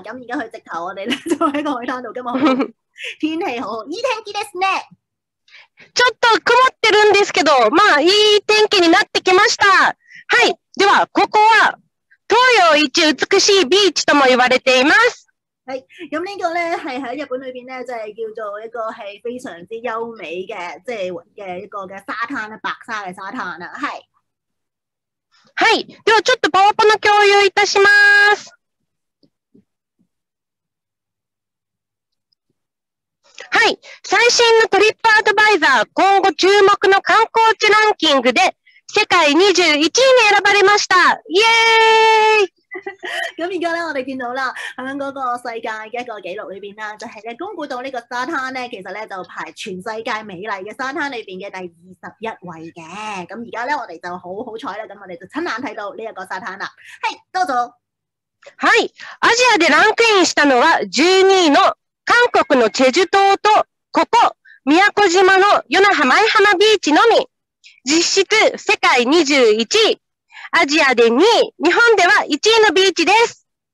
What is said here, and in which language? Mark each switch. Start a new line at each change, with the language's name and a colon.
Cantonese: 咁而家佢直頭我哋咧就喺個海灘度，今日天氣好，
Japanese: いい天気ですね。ちょっと曇ってるんですけど、まあいい天気になってきました。はい、ではここは東洋一美しいビーチとも言われています。
Cantonese: はい、咁呢個咧係喺日本裏邊咧，就係叫做一個係非常之優美嘅，即係嘅一個嘅沙灘啊，白沙嘅沙灘啊，係。
Japanese: はい、ではちょっとパワポの共有いたします。はい、最新のトリップアドバイザー今後注目の観光地ランキングで世界21位に選ばれました。イエーイ！
Cantonese: 咁而家咧，我哋见到啦，喺嗰个世界一个纪录里边啦，就系咧宮古島呢个沙滩咧，其实咧就排全世界美丽嘅沙滩里边嘅第21位嘅。咁而家咧，我哋就好好彩啦，咁我哋就亲眼睇到呢一个沙滩啦。系，多谢。
Japanese: はい、アジアでランクインしたのは12位の韓国のチェジュ島とここ宮古島の与那覇舞浜ビーチのみ。実質世界21位。アジアで2位、日本では1位のビーチです。